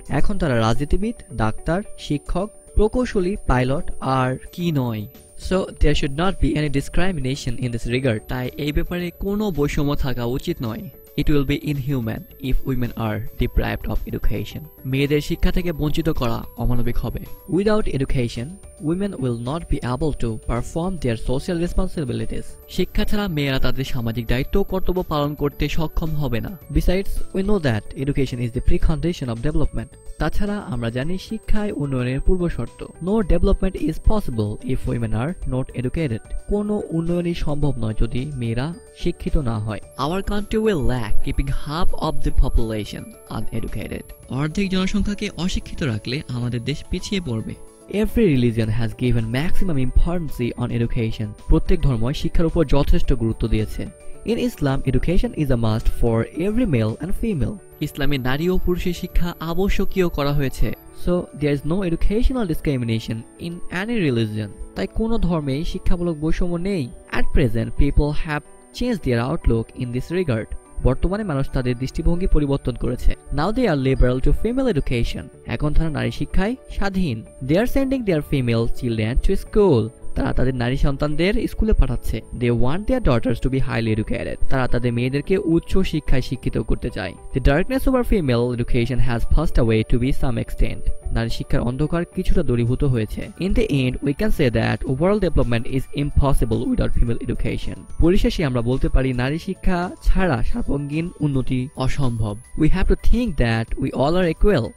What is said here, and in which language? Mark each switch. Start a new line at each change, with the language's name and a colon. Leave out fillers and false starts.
Bangla: এখন তারা রাজনীতিবিদ, ডাক্তার, শিক্ষক, প্রকৌশলী, পাইলট আর কি নয়।
English: So there should not be any discrimination in this regard.
Bangla: তাই এই ব্যাপারে কোনো বৈষম্য থাকা উচিত নয়।
English: It will be inhuman if women are deprived of education.
Bangla: মেয়েদের শিক্ষা থেকে বঞ্চিত করা অমানবিক হবে।
English: Without education women will not be able to perform their social responsibilities.
Bangla: শিক্ষাছাড়া মেয়েরা তাদের সামাজিক দায়িত্ব কর্তব্য পালন করতে সক্ষম হবে না.
English: Besides, we know that education is the precondition of development.
Bangla: তাছাড়া আমরা জানি শিক্ষায় উন্নয়নের পূর্বশর্ত.
English: No development is possible if women are not educated.
Bangla: কোনো উন্নয়নই সম্ভব নয় যদি মেয়েরা শিক্ষিত না হয়.
English: Our country will lack keeping half of the population uneducated.
Bangla: অর্ধেক জনসংখ্যাকে অশিক্ষিত রাখলে আমাদের দেশ পিছিয়ে পড়বে.
English: Every religion has given maximum importance on education.
Bangla: প্রত্যেক ধর্মই শিক্ষার উপর যথেষ্ট গুরুত্ব দিয়েছে.
English: In Islam, education is a must for every male and female.
Bangla: ইসলামে নারী ও পুরুষের শিক্ষা আবশ্যকীয় করা হয়েছে.
English: So there is no educational discrimination in any religion.
Bangla: তাই কোনো ধর্মেই শিক্ষামূলক বৈষম্য নেই.
English: At present, people have changed their outlook in this regard.
Bangla: বর্তমানে মানুষ তাদের দৃষ্টিভঙ্গি পরিবর্তন করেছে.
English: Now they are liberal to female education.
Bangla: এখন তারা নারী শিক্ষায় স্বাধীন.
English: They are sending their female children to school.
Bangla: তারা তাদের নারী সন্তানদের স্কুলে পাঠাচ্ছে.
English: They want their daughters to be highly educated.
Bangla: তারা তাদের মেয়েদেরকে উচ্চ শিক্ষায় শিক্ষিত করতে চায়.
English: The darkness over female education has passed away to be some extent.
Bangla: নারী শিক্ষার অন্ধকার কিছুটা দূরীভূত হয়েছে.
English: In the end, we can say that overall development is impossible without female education.
Bangla: পরিশেষে আমরা বলতে পারি নারী শিক্ষা ছাড়া সর্বাঙ্গীন উন্নতি অসম্ভব.
English: We have to think that we all are equal.